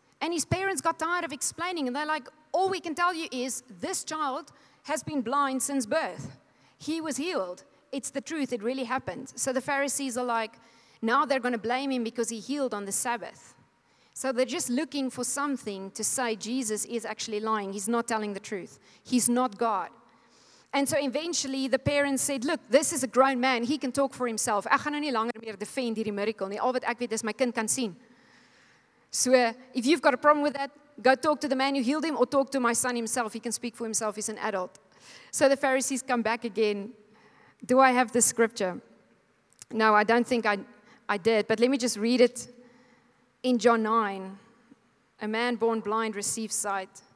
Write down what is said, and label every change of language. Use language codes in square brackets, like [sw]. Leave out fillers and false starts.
[en] And his parents got tired of explaining. And they're like, all we can tell you is this child has been blind since birth. He was healed. It's the truth. It really happened. So the Pharisees are like, now they're going to blame him because he healed on the Sabbath. So they're just looking for something to say Jesus is actually lying. He's not telling the truth. He's not God. And so eventually the parents said, look, this is a grown man. He can talk for himself. [af] Ek gaan nie langer meer defend hierdie miracle nie. Al wat ek weet is my kind kan sien. [en] So if you've got a problem with that, go talk to the man who healed him or talk to my son himself. He can speak for himself. He's an adult. So the Pharisees come back again. Do I have the scripture? No, I don't think I did. But let me just read it. In John 9, a man born blind receives sight.